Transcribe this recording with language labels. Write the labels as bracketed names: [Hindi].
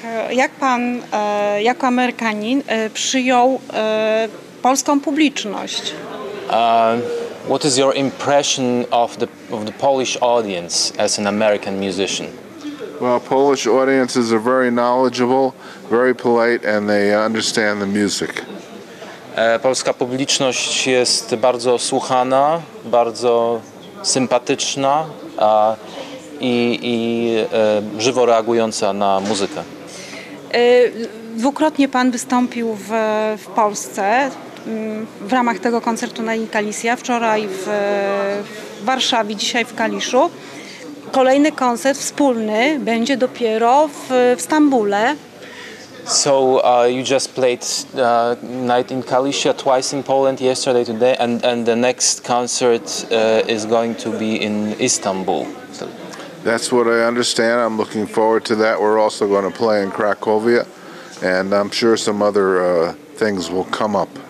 [Polish] Jak pan, jako Amerykanin, przyjął polską publiczność? [English] What is your impression of the Polish audience as an American musician? Well, Polish audiences are very knowledgeable, very polite, and they understand the music. [Polish] Polska publiczność jest bardzo słuchana, bardzo sympatyczna i żywo reagująca na muzykę. Dwukrotnie pan wystąpił w Polsce w ramach tego koncertu na Galicia, wczoraj w Warszawie, dzisiaj w Kaliszu. Kolejny koncert wspólny będzie dopiero w Stambule. [English] So you just played Night in Galicia twice in Poland yesterday, today, and the next concert is going to be in Istanbul. That's what I understand. I'm looking forward to that. We're also going to play in Cracovia, and I'm sure some other things will come up.